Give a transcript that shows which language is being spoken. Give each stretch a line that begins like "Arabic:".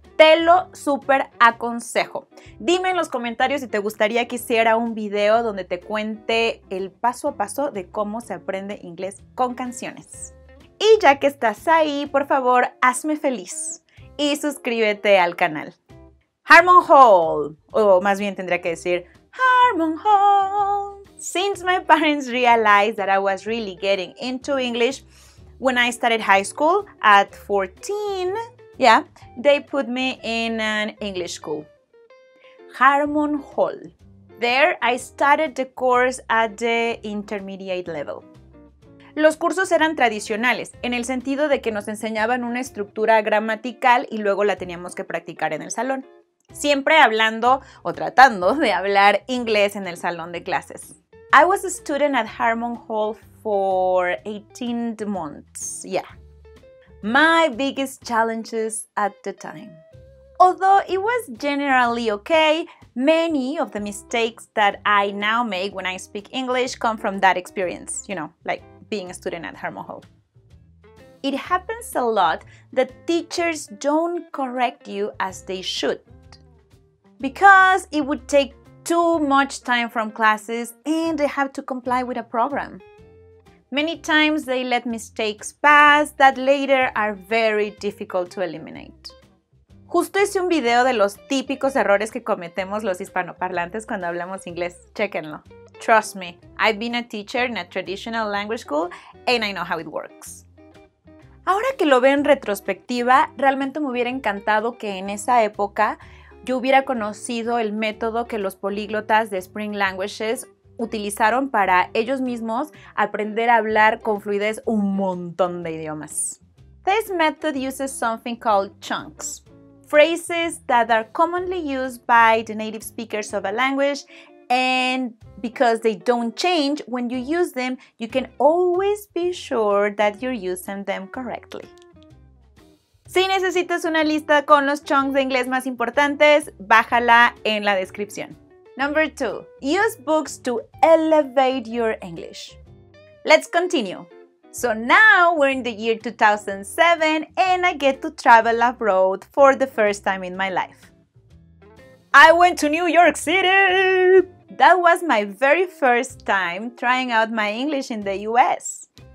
Spanish: Te lo súper aconsejo. Dime en los comentarios si te gustaría que hiciera un video donde te cuente el paso a paso de cómo se aprende inglés con canciones. Y ya que estás ahí, por favor, hazme feliz y suscríbete al canal. Harmon Hall, o más bien tendría que decir Harmon Hall.
English: Since my parents realized that I was really getting into English when I started high school at 14, yeah, they put me in an English school. Harmon Hall. There I started the course at the intermediate level.
Spanish: Los cursos eran tradicionales, en el sentido de que nos enseñaban una estructura gramatical y luego la teníamos que practicar en el salón. Siempre hablando o tratando de hablar inglés en el salón de clases.
English: I was a student at Harmon Hall for 18 months, yeah. My biggest challenges at the time. Although it was generally okay, many of the mistakes that I now make when I speak English come from that experience, you know, like being a student at Harmon Hall. It happens a lot that teachers don't correct you as they should, because it would take too much time from classes and they have to comply with a program. Many times they let mistakes pass that later are very difficult to eliminate.
Spanish: Justo hice un video de los típicos errores que cometemos los hispanoparlantes cuando hablamos inglés. Chéquenlo.
English: Trust me, I've been a teacher in a traditional language school and I know how it works.
Spanish: Ahora que lo veo en retrospectiva, realmente me hubiera encantado que en esa época yo hubiera conocido el método que los políglotas de Spring Languages utilizaron para ellos mismos aprender a hablar con fluidez un montón de idiomas.
English: This method uses something called chunks, phrases that are commonly used by the native speakers of a language, and because they don't change when you use them, you can always be sure that you're using them correctly.
Spanish: Si necesitas una lista con los chunks de inglés más importantes, bájala en la descripción.
English: Number two, use books to elevate your English. Let's continue. So now we're in the year 2007 and I get to travel abroad for the first time in my life. I went to New York City! That was my very first time trying out my English in the US.